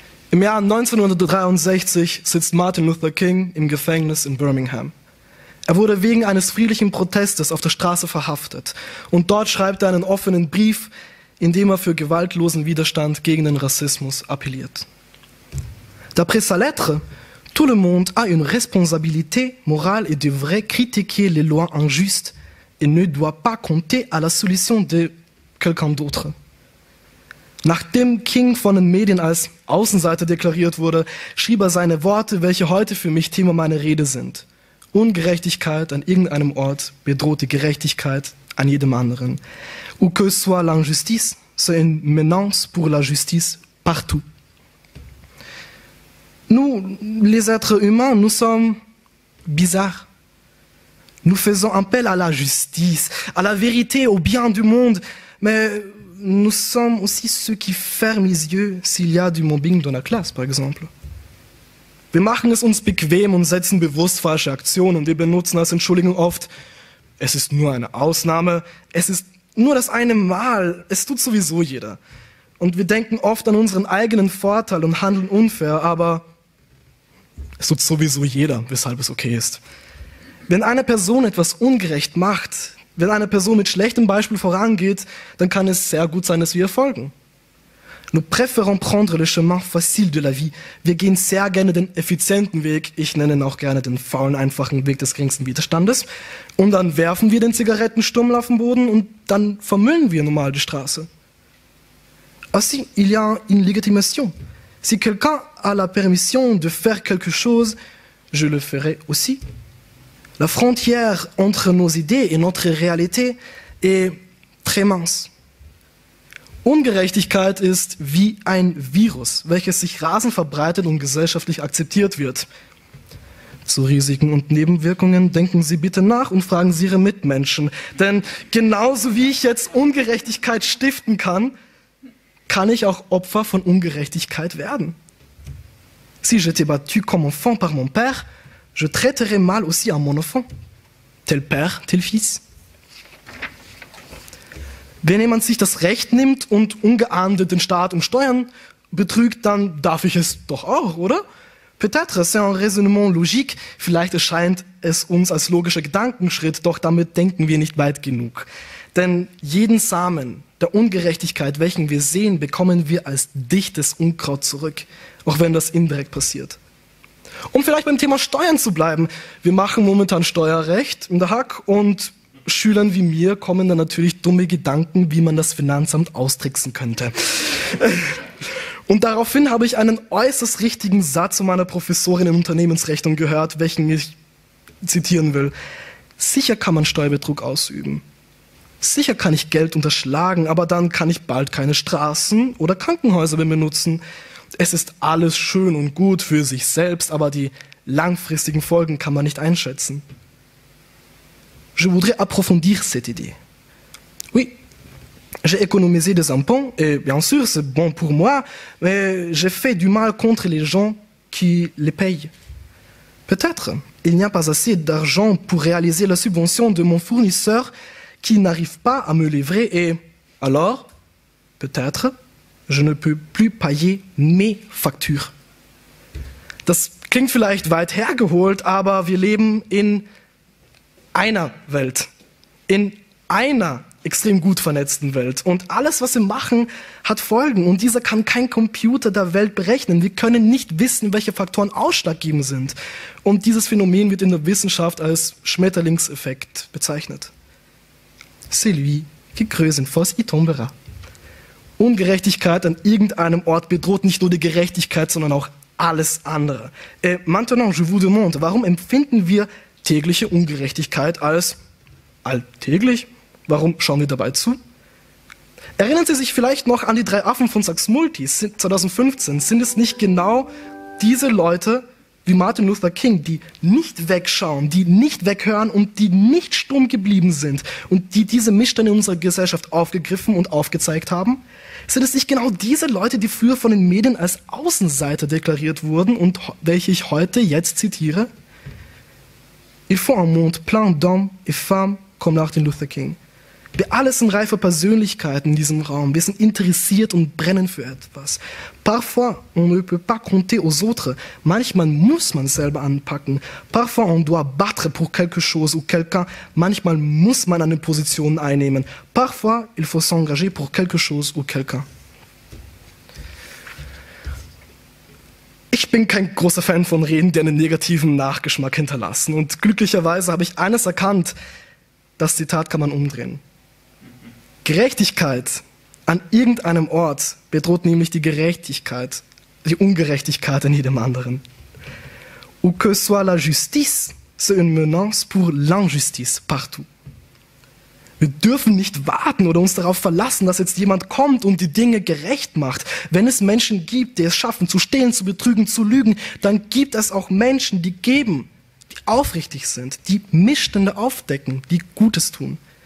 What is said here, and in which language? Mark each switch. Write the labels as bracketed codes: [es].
[de] Im Jahr 1963 sitzt Martin Luther King im Gefängnis in Birmingham. Er wurde wegen eines friedlichen Protestes auf der Straße verhaftet und dort schreibt er einen offenen Brief, in dem er für gewaltlosen Widerstand gegen den Rassismus appelliert. [fr] D'après sa lettre, tout le monde a une responsabilité morale et devrait critiquer les lois injustes et ne doit pas compter à la solution de quelqu'un d'autre. [de] Nachdem King von den Medien als Außenseiter deklariert wurde, schrieb er seine Worte, welche heute für mich Thema meiner Rede sind. Ungerechtigkeit an irgendeinem Ort bedroht die Gerechtigkeit an jedem anderen. Où que soit l'injustice, c'est une menace pour la justice partout. Nous, les êtres humains, nous sommes bizarres. Nous faisons appel à la justice, à la vérité, au bien du monde, mais nous sommes aussi ceux qui ferment les yeux s'il y a du mobbing dans la classe, par exemple. Wir machen es uns bequem und setzen bewusst falsche Aktionen und wir benutzen als Entschuldigung oft, es ist nur eine Ausnahme, es ist nur das eine Mal, es tut sowieso jeder. Und wir denken oft an unseren eigenen Vorteil und handeln unfair, aber es tut sowieso jeder, weshalb es okay ist. Wenn eine Person etwas ungerecht macht, wenn eine Person mit schlechtem Beispiel vorangeht, dann kann es sehr gut sein, dass wir ihr folgen. [fr] Nous préférons prendre le chemin facile de la vie. [de] Wir gehen sehr gerne den effizienten Weg, ich nenne ihn auch gerne den faulen, einfachen Weg des geringsten Widerstandes. Und dann werfen wir den Zigarettenstummel auf den Boden und dann vermüllen wir normal die Straße. [fr] Aussi, il y a une légitimation. Si quelqu'un a la permission de faire quelque chose, je le ferai aussi. La frontière entre nos idées et notre réalité est très mince. [de] Ungerechtigkeit ist wie ein Virus, welches sich rasend verbreitet und gesellschaftlich akzeptiert wird. Zu Risiken und Nebenwirkungen denken Sie bitte nach und fragen Sie Ihre Mitmenschen. Denn genauso wie ich jetzt Ungerechtigkeit stiften kann, kann ich auch Opfer von Ungerechtigkeit werden. [fr] Si j'étais battu comme enfant par mon père, je traiterais mal aussi à mon enfant. Tel père, tel fils. [de] Wenn jemand sich das Recht nimmt und ungeahndet den Staat um Steuern betrügt, dann darf ich es doch auch, oder? [fr] Peut-être, c'est un raisonnement logique. [de] Vielleicht erscheint es uns als logischer Gedankenschritt, doch damit denken wir nicht weit genug. Denn jeden Samen der Ungerechtigkeit, welchen wir sehen, bekommen wir als dichtes Unkraut zurück, auch wenn das indirekt passiert. Um vielleicht beim Thema Steuern zu bleiben, wir machen momentan Steuerrecht in der Hack und Schülern wie mir kommen dann natürlich dumme Gedanken, wie man das Finanzamt austricksen könnte. Und daraufhin habe ich einen äußerst richtigen Satz von meiner Professorin in Unternehmensrechnung gehört, welchen ich zitieren will. Sicher kann man Steuerbetrug ausüben. Sicher kann ich Geld unterschlagen, aber dann kann ich bald keine Straßen oder Krankenhäuser mehr benutzen. Es ist alles schön und gut für sich selbst, aber die langfristigen Folgen kann man nicht einschätzen. [fr] Je voudrais approfondir cette idée. Oui, j'ai économisé des impôts, et bien sûr, c'est bon pour moi, mais j'ai fait du mal contre les gens qui les payent. Peut-être, il n'y a pas assez d'argent pour réaliser la subvention de mon fournisseur qui n'arrive pas à me livrer, et alors, peut-être, je ne peux plus payer mes factures. [de] Das klingt vielleicht weit hergeholt, aber wir leben in einer Welt, in einer extrem gut vernetzten Welt. Und alles, was wir machen, hat Folgen. Und dieser kann kein Computer der Welt berechnen. Wir können nicht wissen, welche Faktoren ausschlaggebend sind. Und dieses Phänomen wird in der Wissenschaft als Schmetterlingseffekt bezeichnet. [fr] C'est lui qui creuse une fosse, il tombera. [de] Ungerechtigkeit an irgendeinem Ort bedroht nicht nur die Gerechtigkeit, sondern auch alles andere. [fr] Et maintenant, je vous demande, [de] warum empfinden wir tägliche Ungerechtigkeit als alltäglich? Warum schauen wir dabei zu? Erinnern Sie sich vielleicht noch an die drei Affen von Sachs-Multis 2015? Sind es nicht genau diese Leute wie Martin Luther King, die nicht wegschauen, die nicht weghören und die nicht stumm geblieben sind und die diese Missstände in unserer Gesellschaft aufgegriffen und aufgezeigt haben? Sind es nicht genau diese Leute, die früher von den Medien als Außenseiter deklariert wurden und welche ich heute jetzt zitiere? [fr] Il faut un monde plein d'hommes et femmes comme Martin Luther King. [de] Wir alle sind reife Persönlichkeiten in diesem Raum. Wir sind interessiert und brennen für etwas. [fr] Parfois, on ne peut pas compter aux autres. [de] Manchmal muss man selber anpacken. [fr] Parfois, on doit battre pour quelque chose ou quelqu'un. [de] Manchmal muss man eine Position einnehmen. [fr] Parfois, il faut s'engager pour quelque chose ou quelqu'un. [de] Ich bin kein großer Fan von Reden, die einen negativen Nachgeschmack hinterlassen. Und glücklicherweise habe ich eines erkannt. Das Zitat kann man umdrehen. Gerechtigkeit an irgendeinem Ort bedroht nämlich die Gerechtigkeit, die Ungerechtigkeit an jedem anderen. [fr] Où que soit la justice, c'est une menace pour l'injustice partout. [de] Wir dürfen nicht warten oder uns darauf verlassen, dass jetzt jemand kommt und die Dinge gerecht macht. Wenn es Menschen gibt, die es schaffen, zu stehlen, zu betrügen, zu lügen, dann gibt es auch Menschen, die geben, die aufrichtig sind, die Missstände aufdecken, die Gutes tun.